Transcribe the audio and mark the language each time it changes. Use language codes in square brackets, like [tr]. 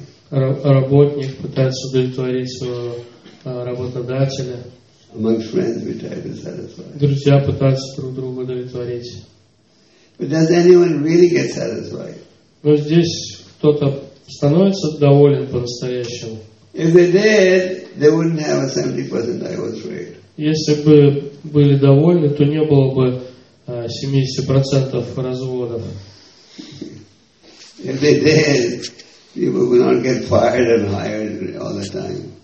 [ru] Работник пытается удовлетворить своего работодателя. [en] Among friends we try to satisfy. [ru] Друзья пытаются друг друга удовлетворить. [en] But does anyone really get satisfied? [ru] Но здесь кто-то становится доволен по-настоящему. [en] If they did, they wouldn't have a 70% divorce rate. [ru] Если бы были довольны, то не было бы 70% разводов. [en] If they did, people would not get fired and hired all the time.